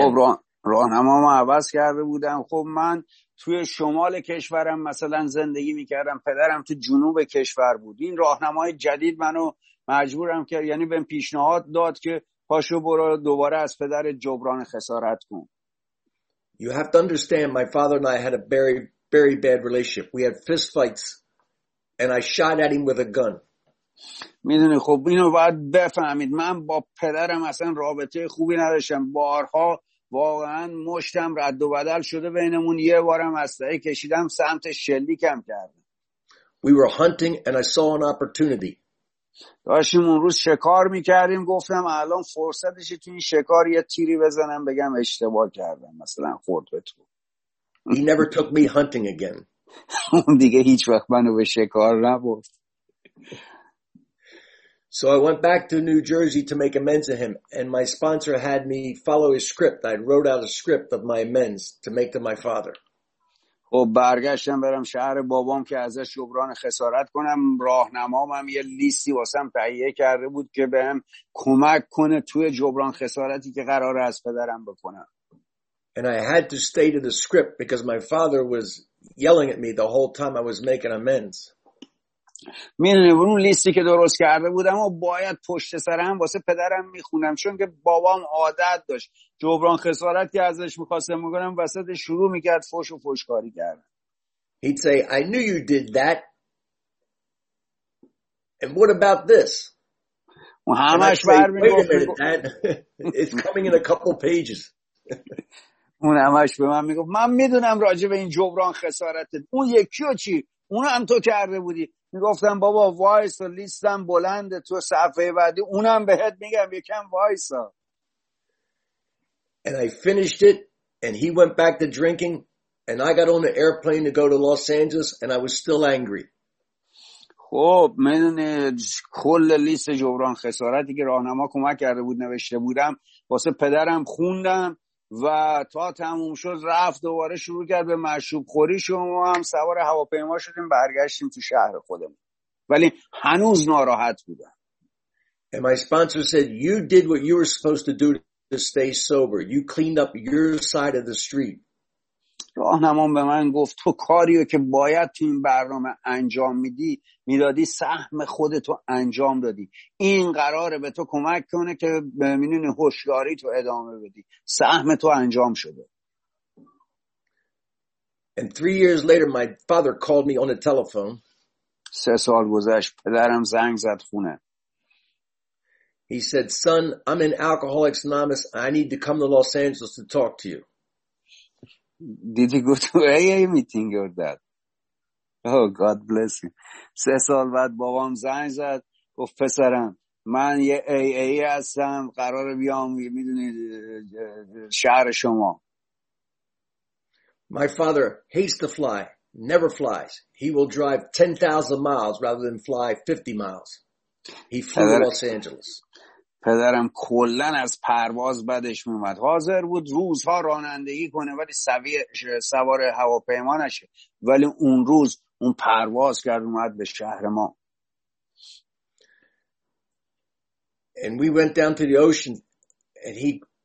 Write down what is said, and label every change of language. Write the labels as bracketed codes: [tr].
[fa] خب راهنمام عوض کرده بودم. خب من توی شمال کشورم مثلا زندگی میکردم. پدرم تو جنوب کشور بود. این راهنمای جدید منو مجبورم کرد. یعنی بهم پیشنهاد داد که پاشو برو دوباره از پدر جبران خسارت کن. [en] You have to understand, my father and I had a very, very bad relationship. We had fist fights, and I shot at him with a gun. [fa] میدونی خب اینو باید بفهمید. من با پدرم اصلا رابطه خوبی نداشتم. بارها واقعا مشتم رد و بدل شده بینمون. یه بارم اسلحه کشیدم سمت شلیکم کردم. [en] We were hunting, and I saw an opportunity. [fa] داشتیم اون روز شکار میکردیم گفتم الان فرصتشه تو این شکار یه تیری بزنم بگم اشتباه کردم مثلا خورد به تو. [en] He never took me hunting again. [fa] اون دیگه هیچ وقت منو به شکار نبرد. [en] So I went back to New Jersey to make amends to him and my sponsor had me follow his script. I wrote out a script of my amends to make to my father. [fa] و برگشتم برم شهر بابام که ازش جبران خسارت کنم راهنمامم یه لیستی واسم تهیه کرده بود که بهم کمک کنه توی جبران خسارتی که قراره از پدرم بکنم. [en] And I had to stay to the script because my father was yelling at me the whole time I was making amends. [fa] میدونی اون لیستی که درست کرده بودم و باید پشت سرم واسه پدرم میخونم چون که بابام عادت داشت جبران خسارت که ازش میخواستم میکنم وسط شروع میکرد فوش و فوشکاری کرد. [en] He'd say, I knew you did that. And what about this? [fa] و همش برمیگفت. [en] Wait a minute, Dad. It's coming in a couple pages. [fa] اون همش به من میگفت. من میدونم راجع به این جبران خسارته. اون یکی و چی؟ اون هم تو کرده بودی. میگفتم بابا وایسا لیستم بلنده تو صفحه بعدی اونم بهت میگم یکم وایسا. [en] And I finished it and he went back to drinking and I got on the airplane to go to Los Angeles and I was still angry. [fa] خب من کل لیست جبران خسارتی که راهنما کمک کرده بود نوشته بودم واسه پدرم خوندم و تا تموم شد رفت دوباره شروع کرد به مشروب خوری شما هم سوار هواپیما شدیم برگشتیم تو شهر خودمون ولی هنوز ناراحت بودم. [en] And my sponsor said you did what you were supposed to do to stay sober. You cleaned up your side of the street. [fa] راهنمام به من گفت تو کاریو که باید تو این برنامه انجام میدادی سهم خودتو انجام دادی این قراره به تو کمک کنه که به منون هوشیاری تو ادامه بدی سهم تو انجام شده. [en] And 3 years later my father called me on the telephone. [fa] 3 سال گذشت پدرم زنگ زد خونه. [en] He said, son, I'm in Alcoholics Anonymous. I need to come to Los Angeles to talk to you. Did he go to AA meeting or that? Oh, God bless him. [fa] 3 سال بعد بابام زنگ زد گفت پسرم من یه AA هستم قرار بیام میدونید شهر شما. [en] My father hates to fly, never flies. He will drive 10,000 miles rather than fly 50 miles. He flew to Los Angeles. [fa] پدرم کلن از پرواز بدش میومد. حاضر بود روزها رانندگی کنه ولی سوار هواپیما نشه. ولی اون روز اون پرواز کرد اومد به شهر ما. [en] And we went down to the ocean and he